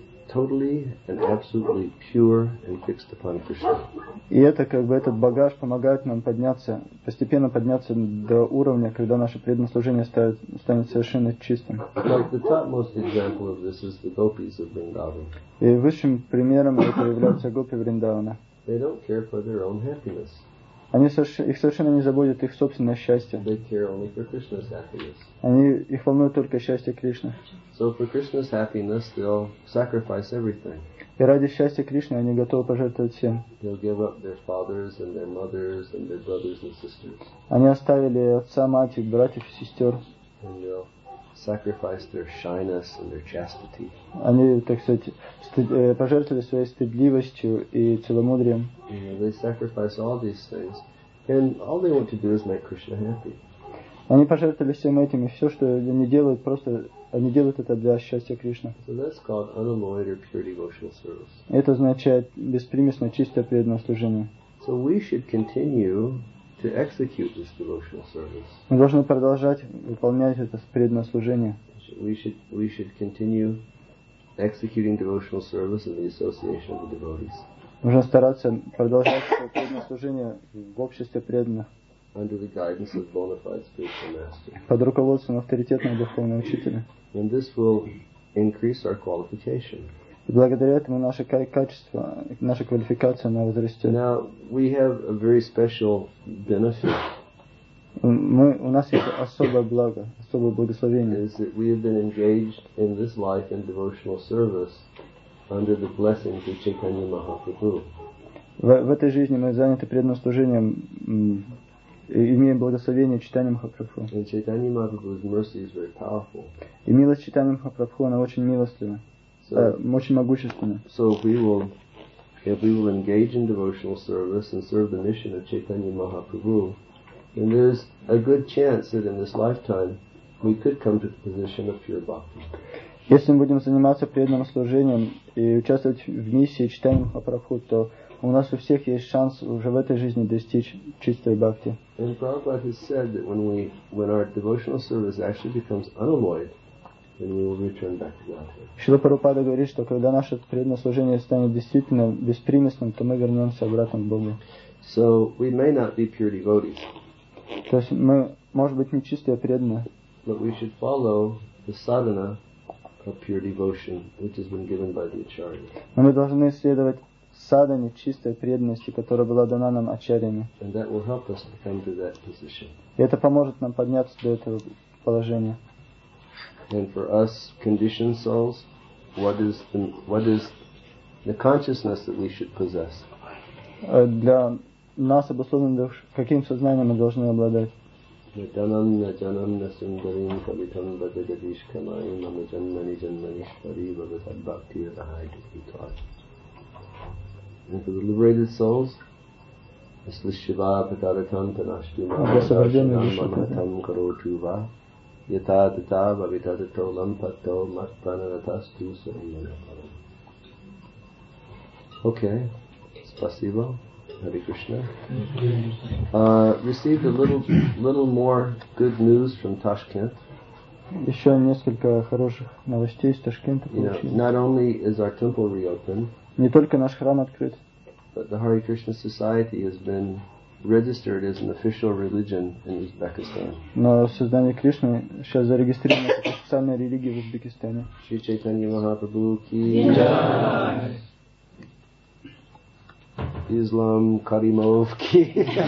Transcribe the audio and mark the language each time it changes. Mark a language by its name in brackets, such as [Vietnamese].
[English] Totally and absolutely pure and fixed upon Krishna. [Russian] И это как бы этот багаж помогает нам подняться, постепенно подняться до уровня, когда наше преданное служение станет совершенно чистым. [English] Like the topmost example of this is the gopis of Vrindavan. [Russian] И высшим примером это являются гопи Вриндавана. [English] They don't care for their own happiness. [Russian] Они их совершенно не заботят их собственное счастье. [English] They care only for Krishna's happiness. [Russian] Они их волнует только счастье Кришны. [English] So for Krishna's happiness, they'll sacrifice everything. [Russian] И ради счастья Кришны они готовы пожертвовать всем. [English] They'll give up their fathers and their mothers and their brothers and sisters. [Russian] Они оставили отца, мать, братьев и сестер. [English] And they'll sacrifice their shyness and their chastity. [Russian] Они, так сказать, пожертвовали своей стыдливостью и целомудрием. [English] They sacrifice all these things, and all they want to do is make Krishna happy. [Russian] Они пожертвовали всем этим, и все, что они делают, просто они делают это для счастья Кришны. [English] So that's called unalloyed or pure devotional service. [Russian] Это означает беспримесное чистое преданное служение. [English] So we should continue to execute this devotional service. [Russian] Мы должны продолжать выполнять это преданное служение. [English] We should continue executing devotional service in the association of the devotees. [Russian] Нужно стараться продолжать преданное служение в обществе преданных. [English] Under the guidance of bona fide spiritual master. [Russian] Под руководством авторитетного духовного учителя. [English] And this will increase our qualification. [Russian] И благодаря этому наше качество, наша квалификация, она возрастет. [English] Now we have a very special benefit. [Russian] У нас есть особое благо, особое благословение. [English] Is that we have been engaged in this life in devotional service under the blessings of Chaitanya Mahaprabhu. [Russian] В этой жизни мы заняты преданным служением. Имеем благословение Чайтанья Махапрабху. [English] And Chaitanya Mahaprabhu's mercy is very powerful. [Russian] И милость Чайтанья Махапрабху, она очень милостлива, очень могущественна. [English] So if we will engage in devotional service and serve the mission of Chaitanya Mahaprabhu, then there's a good chance that in this lifetime we could come to the position of pure bhakti. [Russian] Если мы будем заниматься преданным служением и участвовать в миссии Чайтанья Махапрабху, то у нас у всех есть шанс уже в этой жизни достичь чистой бхакти. [English] And Prabhupada has said that when our devotional service actually becomes unalloyed, then we will return back to Godhead. [Russian] Шрила Прабхупада говорит, что когда наше преданное служение станет действительно беспримесным, то мы вернемся обратно к Богу. [English] So we may not be pure devotees. [Russian] То есть мы, может быть, не чистые преданные. [English] But we should follow the sadhana a pure devotion which has been given by the acharya. [Russian] Но мы должны следовать садане чистой преданности, которая была дана нам ачарьями. [English] And that will help us to come to that position. [Russian] И это поможет нам подняться до этого положения. [English] And for us conditioned souls, what is the consciousness that we should possess? [Russian] Для нас обусловленным каким сознанием мы должны обладать? [English] And for the liberated souls, this is Shiva Pataratam Panashtumatam Karo Tuva Yatatata Babitatato Lampato Matpanaratastu Sayana. Okay, Spasibo. Hare Krishna. Received a little more good news from Tashkent. [Russian] Еще несколько хороших новостей из Ташкента получили. [English] Not only is our temple reopened, [Russian] не только наш храм открыт, [English] but the Hare Krishna Society has been registered as an official religion in Uzbekistan. [Russian] Но сознание Кришны сейчас зарегистрировано как официальная религия в Узбекистане. [Hindi] Шри Чайтанья Махапрабху ки джай. Islam Karimov ki.